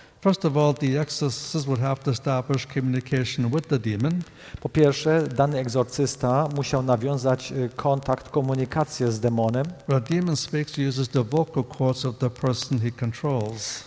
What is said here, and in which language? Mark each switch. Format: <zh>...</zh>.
<en>First of all, the exorcist would have to establish communication with the demon.</en> <pl>Po pierwsze, dany egzorcysta musiał nawiązać kontakt, komunikację z demonem.</pl> <en>When a demon speaks, he uses the vocal cords of the person he controls.</en>